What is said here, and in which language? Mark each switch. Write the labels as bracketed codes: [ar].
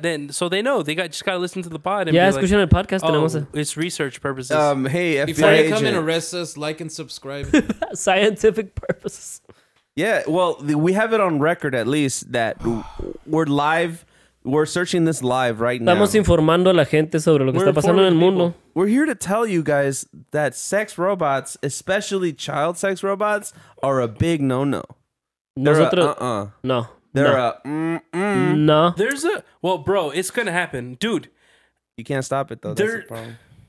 [en] Then so they know they got just gotta listen to the pod. And yeah, it's like, a podcast. It's research purposes. Hey, FBI before agent. You come and arrest us, like and subscribe. Scientific purposes. Yeah, well, we have it on record at least that we're live. We're searching this live right now. [es] Estamos informando a la gente sobre lo que está pasando en el mundo. [en] We're here to tell you guys that sex robots, especially child sex robots, are a big no-no. There's a... Well, bro, it's gonna happen. Dude. You can't stop it, though. That's the problem.